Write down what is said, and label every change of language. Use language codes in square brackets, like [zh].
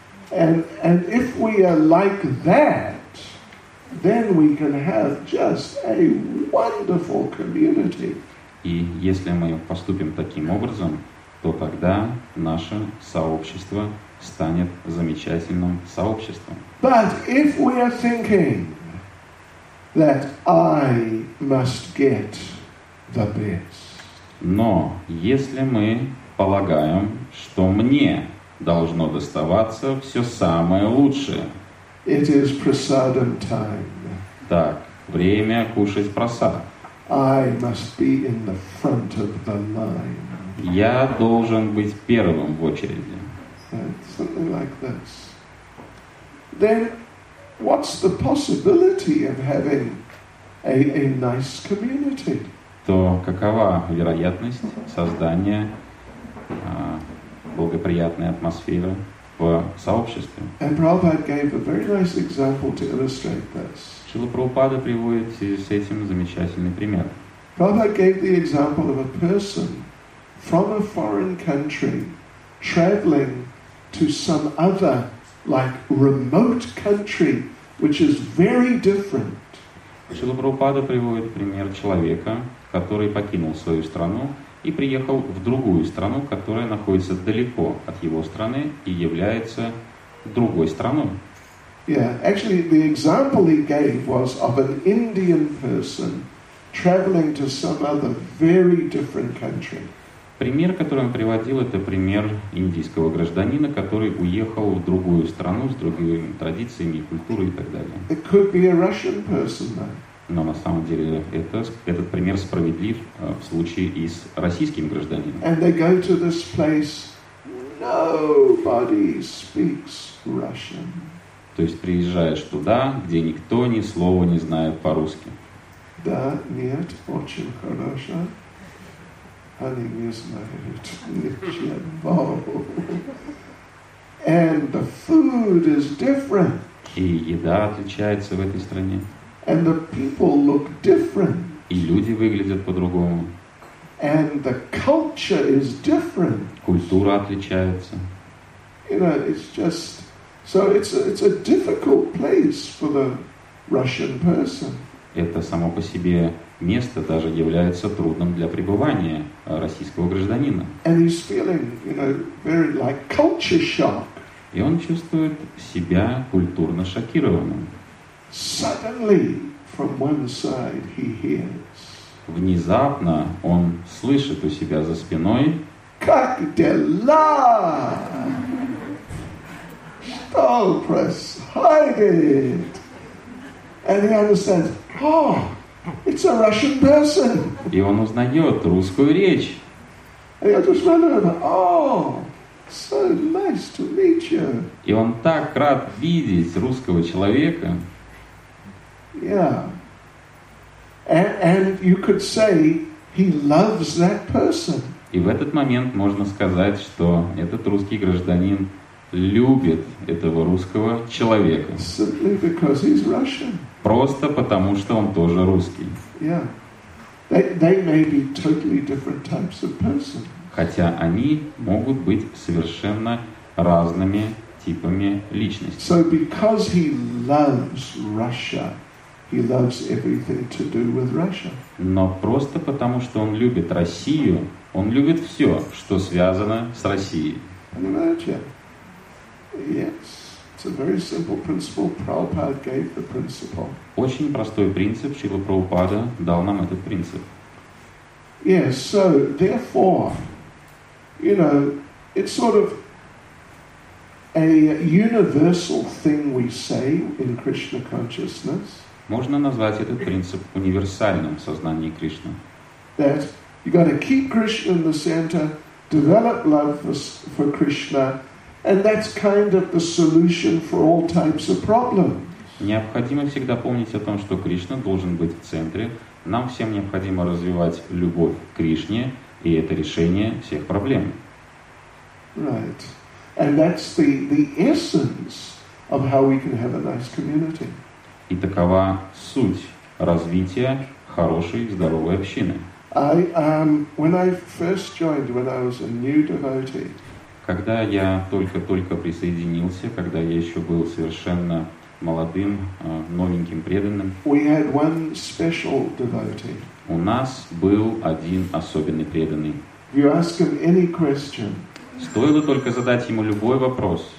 [en] And if we are like that, then we can have just a wonderful community. [ru] И если мы поступим таким образом, то тогда наше сообщество станет замечательным сообществом. [en] But if we are thinking that I must get the best, [ru] но если мы полагаем, что мне должно доставаться все самое лучшее. [en] It is prasadam time. [ru] Так, время кушать прасад. [en] I must be in the front of the line. [ru] Я должен быть первым в очереди. [en] Something like this. Then, what's the possibility of having a nice community? [ru] То какова вероятность создания благоприятной атмосферы в сообществе. [en] And Prabhupada gave a very nice example to illustrate this. [ru] Шрила Прабхупада приводит с этим замечательный пример. [en] Prabhupada gave the example of a person from a foreign country traveling to some other, like, remote country, which is very different. [ru] Шрила Прабхупада приводит пример человека, который покинул свою страну и приехал в другую страну, которая находится далеко от его страны и является другой страной. [en] Yeah, actually, the example he gave was of an Indian person traveling to some other very different country. [ru] Пример, который он приводил, это пример индийского гражданина, который уехал в другую страну с другими традициями, культурой и так далее. [en] It could be a Russian person, though. [ru] Но на самом деле этот пример справедлив в случае и с российским гражданином. [en] And they go to this place, nobody speaks Russian. [ru] То есть приезжаешь туда, где никто ни слова не знает по-русски. Да, нет, очень хорошо. Они не знают ничего. [en] And the food is different. [ru] И еда отличается в этой стране. [en] And the people look different. [ru] И люди выглядят по-другому. [en] And the culture is different. [ru] Культура отличается. [en] You know, it's just so it's a difficult place for the Russian person. [ru] Это само по себе место даже является трудным для пребывания российского гражданина. [en] And he's feeling, you know, very like culture shock. [ru] И он чувствует себя культурно шокированным. [en] Suddenly, from one side, he hears. [ru] Внезапно он слышит у себя за спиной. Как дела? Что происходит? [en] And he understands, oh, it's a Russian person. [ru] И он узнает русскую речь. [en] And he just wondered, oh. So nice to meet you. [ru] И он так рад видеть русского человека. [en] Yeah. And you could say he loves that person. [ru] И в этот момент можно сказать, что этот русский гражданин любит этого русского человека. [en] Simply because he's Russian. [ru] Просто потому, что он тоже русский. [en] Yeah. They may be totally different types of person. [ru] Хотя они могут быть совершенно разными типами личностей. [en] So because he loves Russia, he loves everything to do with Russia. [ru] Но просто потому, что он любит Россию, он любит все, что связано с Россией. Понимаете? [en] Yes. It's a very simple principle. Prabhupada gave the principle. [ru] Очень простой принцип. Шрила Прабхупада дал нам этот принцип. [en] Yes, so therefore. You know, it's sort of a universal thing we say in Krishna consciousness. [ru] Можно назвать этот принцип универсальным в сознании Кришны. [en] That you got to keep Krishna in the center, develop love for Krishna, and that's kind of the solution for all types of problems. [ru] Необходимо всегда помнить о том, что Кришна должен быть в центре. Нам всем необходимо развивать любовь к Кришне. И это решение всех проблем. [en] Right. And that's the essence of how we can have a nice community. [ru] И такова суть развития хорошей, здоровой общины. [en] When I first joined, when I was a new devotee. [ru] Когда я только-только присоединился, когда я еще был совершенно молодым, новеньким преданным. [en] We had one special devotee. [ru] У нас был один особенный преданный. [en] You ask him any question. [ru] Стоило только задать ему любой вопрос.